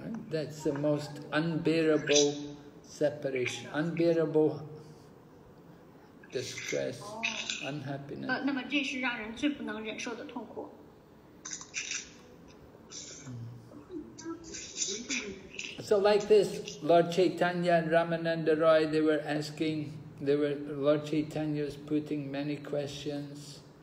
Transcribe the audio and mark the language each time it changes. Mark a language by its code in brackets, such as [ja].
[en] That's the most unbearable separation, unbearable distress, unhappiness. [zh] 那么这是让人最不能忍受的痛苦。 [en] So like this, Lord Chaitanya and Ramananda Roy, they were asking, Lord Chaitanya was putting many questions.